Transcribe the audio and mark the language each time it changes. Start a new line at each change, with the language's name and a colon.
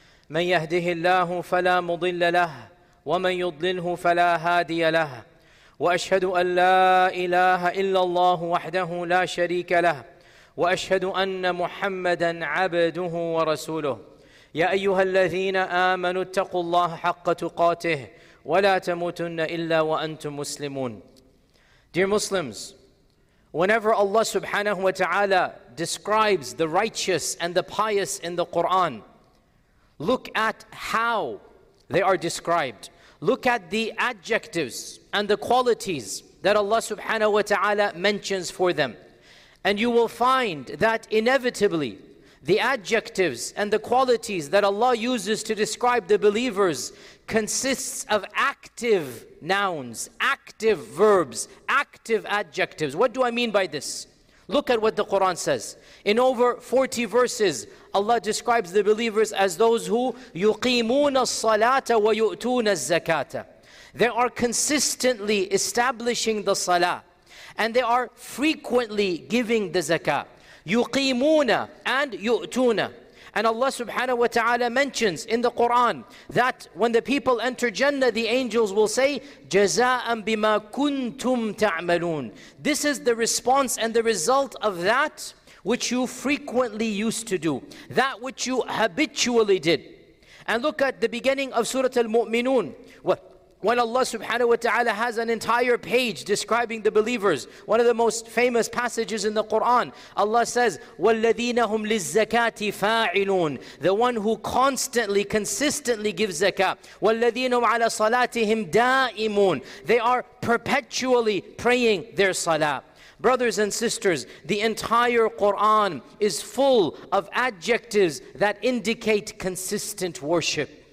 Arabic: من يهده الله فلا مضل له ومن يضلله فلا هادي له وأشهد أن لا إله إلا الله وحده لا شريك له وأشهد أن محمدًا عبده ورسوله يا أيها الذين آمنوا اتقوا الله حق تقاته ولا تموتن إلا وأنتم مسلمون.
English: Dear Muslims, whenever Allah subhanahu wa ta'ala describes the righteous and the pious in the Quran, look at how they are described. Look at the adjectives and the qualities that Allah subhanahu wa ta'ala mentions for them. And you will find that inevitably, the adjectives and the qualities that Allah uses to describe the believers consists of active nouns, active verbs, active adjectives. What do I mean by this? Look at what the Quran says. In over 40 verses, Allah describes the believers as those who
Arabic: يُقِيمُونَ الصَّلَاةَ وَيُؤْتُونَ الزَّكَاةَ.
English: They are consistently establishing the salah, and they are frequently giving the zakah.
Arabic: يُقِيمُونَ and يُؤْتُونَ.
English: And Allah subhanahu wa ta'ala mentions in the Quran that when the people enter Jannah, the angels will say,
Arabic: جَزَاءً بِمَا كُنْتُمْ تَعْمَلُونَ.
English: This is the response and the result of that which you frequently used to do, that which you habitually did. And look at the beginning of Surah Al-Mu'minun, when Allah subhanahu wa ta'ala has an entire page describing the believers, one of the most famous passages in the Quran.
Arabic: Allah says, وَالَّذِينَ هُمْ لِلزَّكَاةِ فَاعِلُونَ.
English: The one who constantly, consistently gives zakah.
Arabic: وَالَّذِينَ هُمْ عَلَى صَلَاتِهِمْ دَائِمُونَ.
English: They are perpetually praying their salah. Brothers and sisters, the entire Quran is full of adjectives that indicate consistent worship.